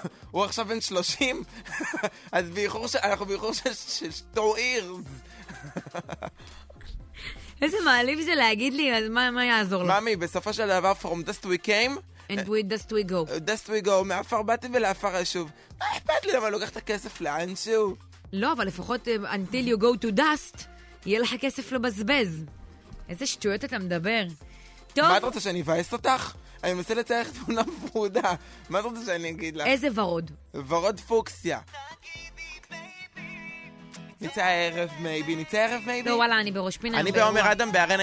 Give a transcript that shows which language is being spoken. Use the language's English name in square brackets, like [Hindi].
[Hebrew] הוא עכשיו בן 30? אז אנחנו באיחור של שטוריר. איזה מעליב זה להגיד לי, אז מה יעזור לו? מאמי, בסופו של דבר, [English] from dust we came, and with dust we go. Dust we go, [Hebrew] מאפר באתי ולאפר ישוב. מה אכפת לי למה לוקחת כסף לאן שהוא? לא, אבל לפחות [English] until you go to dust... [Hebrew] יהיה לך כסף לבזבז. איזה שטויות אתה מדבר. מה את רוצה שאני אבאס אותך? אני מנסה לצייר לך תמונה ורודה. מה את רוצה שאני אגיד לך? איזה ורוד? ורוד פוקסיה. נצא הערב מייבי. לא, וואלה, אני בראש פינה. אני בעומר אדם בארנה.